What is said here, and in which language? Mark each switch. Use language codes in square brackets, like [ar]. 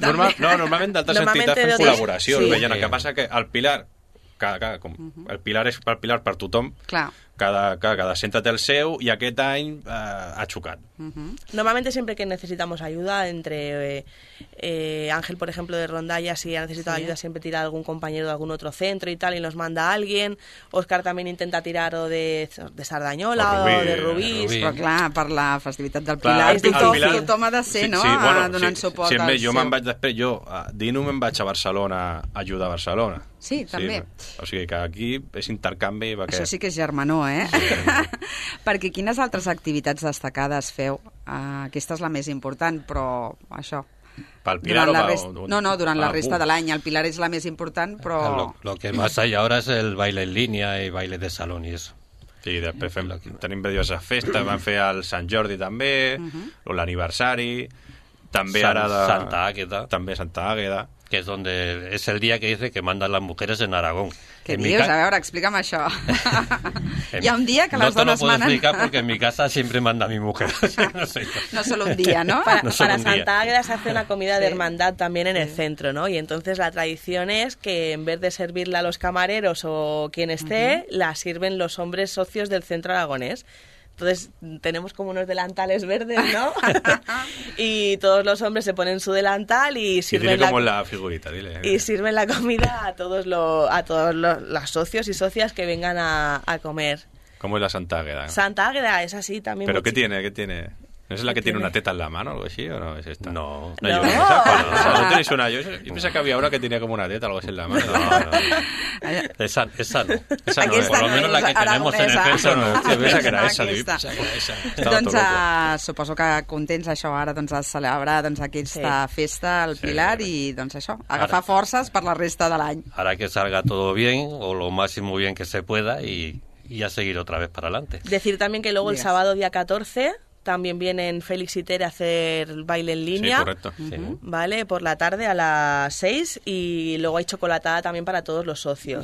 [ca] Sí, normalment d'altres entitats fem col·laboració. Sí. Veient, sí. El que passa que el Pilar, el Pilar és per Pilar per tothom. Clar. Cada centre té el seu i aquest any ha xocat. Normalment sempre que [es] necessitamos ajuda entre Ángel, por ejemplo, de Rondalla, [ca] si ha necessitat ajuda sempre tira algun [es] compañero de algún otro centro y tal y nos manda alguien. Óscar también intenta tirar o de Sardañola o de Rubí. [ca] Però clar, per la festivitat del Pilar, clar, el Pilar [es] toma de ser, sí, no? Sí, bueno, [ca] donant suport. Sí, jo me'n vaig després, jo a Dino me'n vaig a Barcelona a ajudar a Barcelona. Sí, també. Sí, o sigui que aquí és intercanvi. Perquè... Això sí que és germanó, eh? Sí. Perquè quines altres activitats destacades feu? Aquesta és la més important, però això... Pel Pilar durant o... Durant la resta de l'any. El Pilar és la més important, però... [es] Lo que más hay ahora es el baile en línea y baile de salón y eso. [ca] Sí, després fem... Tenim diverses festes, vam fer el Sant Jordi també, o l'aniversari, també ara de... Santa Àgueda. També Santa Àgueda. [es] Que es donde es el día que dice que mandan las mujeres en Aragón. ¿Qué dios? A ver, explícame eso. Y a un día que no las dos manan. No te lo puedo explicar porque en mi casa siempre manda mi mujer. No sé. No solo un día, ¿no? Para Santa Águeda se hace una comida de hermandad también en el centro, ¿no? Y entonces la tradición es que en vez de servirla a los camareros o quien esté, la sirven los hombres socios del centro aragonés. Entonces tenemos como unos delantales verdes, ¿no? Y todos los hombres se ponen su delantal y sirven y la figurita, dile. Y sirven la comida a todos los socios y socias que vengan a comer. ¿Cómo es la Santa Águeda? Santa Águeda es así también. Pero ¿qué tiene? ¿No es la que tiene una teta en la mano o algo así o no es esta? No. No, yo no. No tenéis una. Yo pensé que había una que tenía como una teta o algo así en la mano. No, no. Esa no. Esa no. Por lo menos la que tenemos en el centro no. Sí, pensé que era esa. [ca] Estava doncs suposo que contents això ara doncs, de celebrar doncs, aquesta festa al Pilar i doncs això, agafar forces per la resta de l'any. [es] Ara que salga todo bien o lo máximo bien que se pueda y a seguir otra vez para adelante. Decir también que luego el sábado día 14... También vienen Félix y Tere a hacer baile en línea. Sí, correcto. ¿Vale? Por la tarde a las 6 y luego hay chocolatada también para todos los socios.